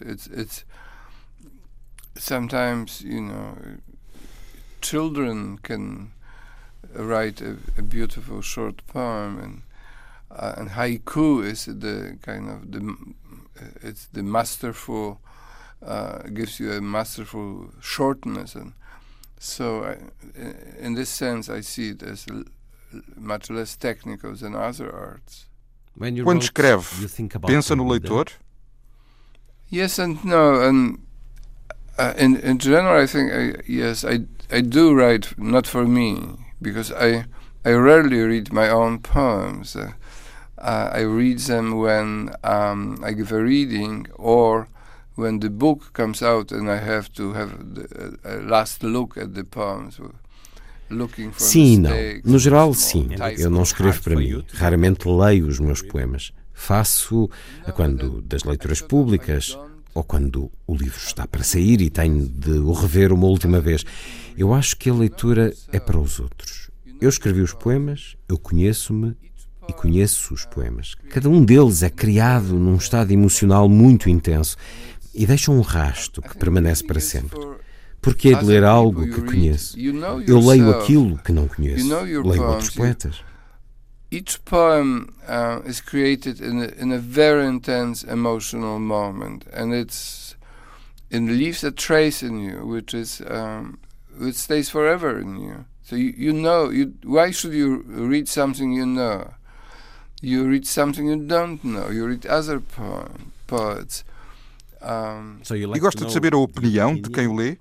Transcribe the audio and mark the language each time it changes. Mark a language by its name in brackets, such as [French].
[English] It's sometimes, you know, children can write a beautiful short poem, and haiku is the kind of the it's the masterful gives you a masterful shortness and. So, in this sense, I see it as much less technical than other arts. [Portuguese] Quando escreve, pensa no leitor? [English] Yes and no. And in general, I think I do write not for me, because I rarely read my own poems. I read them when I give a reading or. When the book comes out and I have to have a last look at the poems, looking for [Portuguese] sim, não. No geral, sim. Eu não escrevo para mim. Raramente leio os meus poemas. Faço quando das leituras públicas ou quando o livro está para sair e tenho de o rever uma última vez. Eu acho que a leitura é para os outros. Eu escrevi os poemas, eu conheço-me e conheço os poemas. Cada um deles é criado num estado emocional muito intenso. E deixa um rasto que permanece para sempre. Porquê de ler algo que conheço? Eu leio aquilo que não conheço. Leio outros poetas. [English] Each poem is created in a very intense emotional moment, and it's and leaves a trace in you, which is which stays forever in you. So you know, you why should you read something you know? You read something you don't know. You read other poets. So you like [Portuguese] e gosta de saber a opinião de quem o lê?